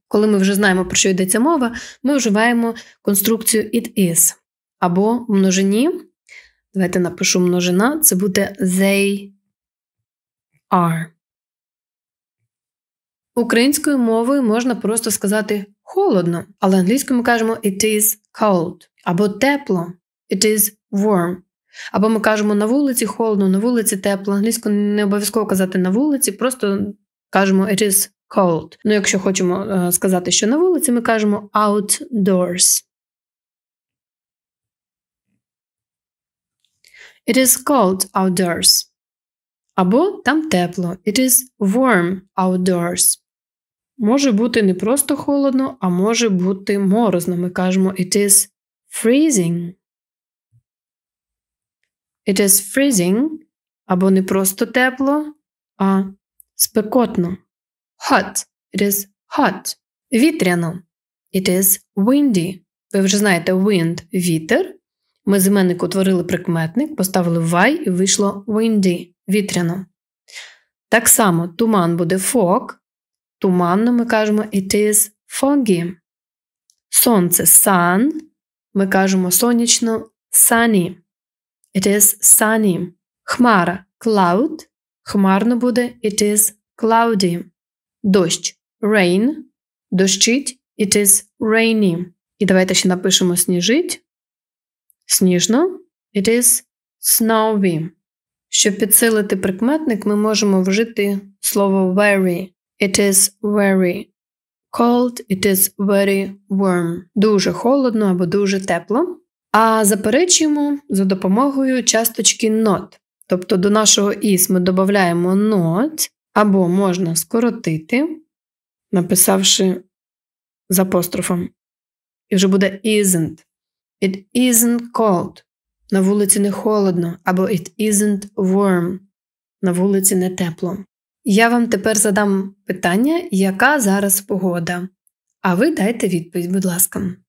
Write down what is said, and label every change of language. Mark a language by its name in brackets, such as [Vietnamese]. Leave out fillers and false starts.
[Ukrainian] Коли ми вже знаємо, про що йдеться мова, ми вживаємо конструкцію [English] it is. [Ukrainian] Або множині, давайте напишу множина, це буде [English] they are. [Ukrainian] Українською мовою можна просто сказати холодно, але англійською ми кажемо [English] it is cold. [Ukrainian] Або тепло, [English] it is warm. [Ukrainian] Або ми кажемо на вулиці холодно, на вулиці тепло. Англійською не обов'язково казати на вулиці, просто кажемо [English] it is cold. [Ukrainian] Ну, якщо хочемо сказати, що на вулиці, ми кажемо outdoors. [English] It is cold outdoors. [Ukrainian] Або там тепло. [English] It is warm outdoors. [Ukrainian] Може бути не просто холодно, а може бути морозно. Ми кажемо [English] it is freezing. It is freezing. [Ukrainian] Або не просто тепло, а спекотно. [English] Hot. It is hot. [Ukrainian] Вітряно. [English] It is windy. [Ukrainian] Ви вже знаєте wind – вітер. Ми з іменник утворили прикметник, поставили y і вийшло windy – вітряно. Так само туман буде fog. Туманно ми кажемо [English] it is foggy. [Ukrainian] Сонце – sun. Ми кажемо сонячно – sunny. [English] It is sunny. [Ukrainian] Хмара [English] – cloud. [Ukrainian] Хмарно буде [English] it is cloudy. [Ukrainian] Дощ [English] – rain. [Ukrainian] Дощить [English] – it is rainy. [Ukrainian] І давайте ще напишемо сніжить. Сніжно [English] – it is snowy. [Ukrainian] Щоб підсилити прикметник, ми можемо вжити слово very. [English] It is very cold, it is very warm. [Ukrainian] Дуже холодно або дуже тепло. А заперечуємо за допомогою часточки not. Тобто до нашого is ми додаємо not, або можна скоротити, написавши з апострофом. І вже буде isn't. [English] It isn't cold. [Ukrainian] На вулиці не холодно. Або [English] it isn't warm. [Ukrainian] На вулиці не тепло. Я вам тепер задам питання, яка зараз погода? А ви дайте відповідь, будь ласка.